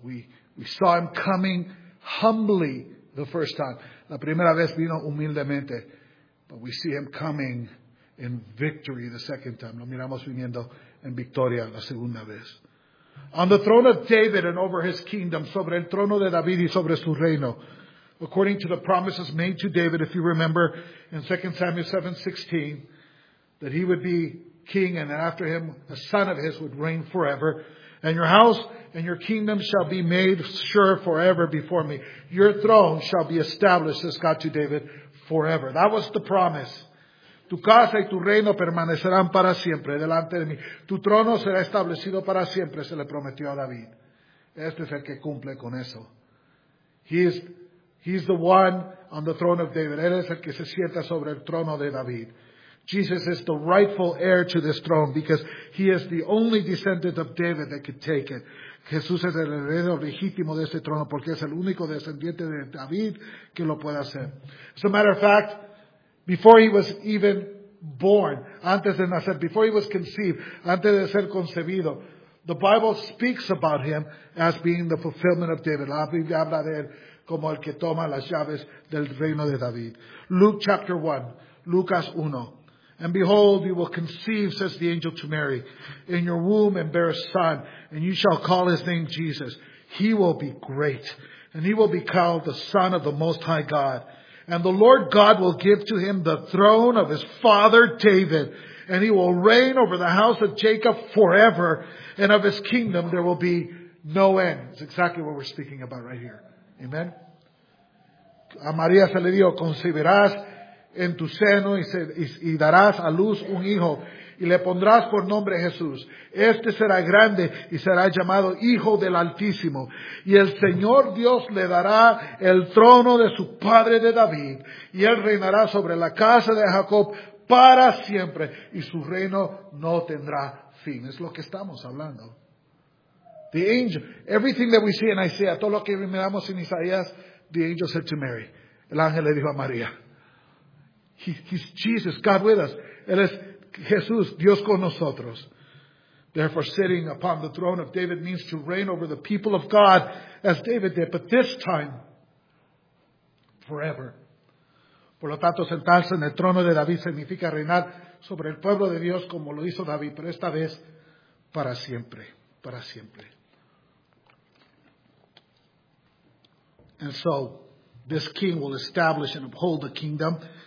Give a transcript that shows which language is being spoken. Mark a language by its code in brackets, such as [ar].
[en] We saw him coming humbly the first time. [es] La primera vez vino humildemente. [en] But we see him coming in victory the second time. [es] Lo miramos viniendo en victoria la segunda vez. [en] On the throne of David and over his kingdom, [es] sobre el trono de David y sobre su reino. [en] According to the promises made to David, if you remember, in 2 Samuel 7:16, that he would be king, and after him a son of his would reign forever. And your house and your kingdom shall be made sure forever before me. Your throne shall be established, says God to David, forever. That was the promise. [es] Tu casa y tu reino permanecerán para siempre delante de mí. Tu trono será establecido para siempre, se le prometió a David. Este es el que cumple con eso. [en] He's the one on the throne of David. [es] Él es el que se sienta sobre el trono de David. [en] Jesus is the rightful heir to this throne because he is the only descendant of David that could take it. [es] Jesús es el heredero legítimo de este trono porque es el único descendiente de David que lo puede hacer. [en] As a matter of fact, before he was even born, [es] antes de nacer, [en] before he was conceived, [es] antes de ser concebido, [en] the Bible speaks about him as being the fulfillment of David. [es] La Biblia habla de él como el que toma las llaves del reino de David. [en] Luke chapter 1, Lucas 1. And behold, you will conceive, says the angel to Mary, in your womb and bear a son, and you shall call his name Jesus. He will be great, and he will be called the Son of the Most High God. And the Lord God will give to him the throne of his father David, and he will reign over the house of Jacob forever, and of his kingdom there will be no end. It's exactly what we're speaking about right here. Amen. [es] A María se le dijo, concebirás en tu seno y darás a luz un hijo y le pondrás por nombre Jesús. Este será grande y será llamado Hijo del Altísimo. Y el Señor Dios le dará el trono de su padre de David y él reinará sobre la casa de Jacob para siempre y su reino no tendrá fin. Es lo que estamos hablando. [en] The angel, everything that we see in Isaiah, [es] todo lo que miramos en Isaías, [en] the angel said to Mary. [es] El ángel le dijo a María. [en] He's Jesus, God with us. [es] Él es Jesús, Dios con nosotros. [en] Therefore, sitting upon the throne of David means to reign over the people of God as David did, but this time, forever. [es] Por lo tanto, sentarse en el trono de David significa reinar sobre el pueblo de Dios como lo hizo David, pero esta vez para siempre, para siempre. [en] And so, this king will establish and uphold the kingdom.